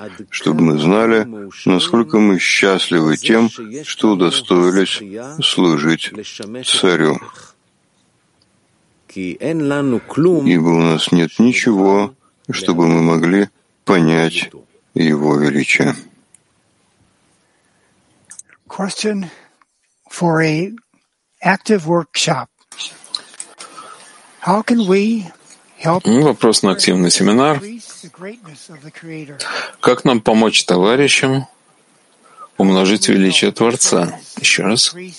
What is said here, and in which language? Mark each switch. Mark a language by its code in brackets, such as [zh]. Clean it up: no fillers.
[ru] чтобы мы знали, насколько мы счастливы тем, что удостоились служить Царю. Ибо у нас нет ничего, чтобы мы могли понять Его величие. [en] Question for a active workshop. How can we help? [ru] Вопрос на активный семинар. Как нам помочь товарищам умножить величие Творца? Еще раз.